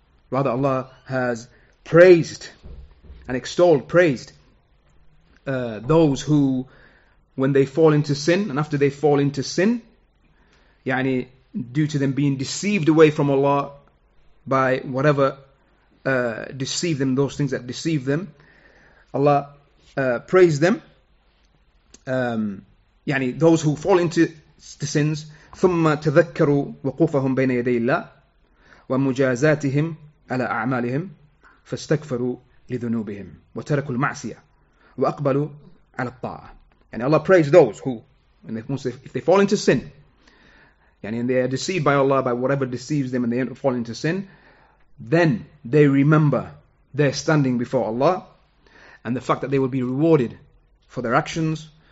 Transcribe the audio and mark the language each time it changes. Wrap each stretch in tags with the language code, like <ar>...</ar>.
<en>Rather Allah has praised and praised those who, when they fall into sin, and after they fall into sin, يعني due to them being deceived away from Allah by whatever deceive them, those things that deceive them, Allah praised them.</en> <ar>يعني</ar> <en>those who fall into the sins,</en> <ar>ثم تذكروا وقوفهم بين يدي الله ومجازاتهم على أعمالهم فاستكفروا لذنوبهم وتركوا المعصية وأقبلوا على الطاعة.</ar> <en>And Allah praised those who, if they fall into sin, and they are deceived by Allah by whatever deceives them, and they fall into sin, then they remember their standing before Allah and the fact that they will be rewarded for their actions.</en>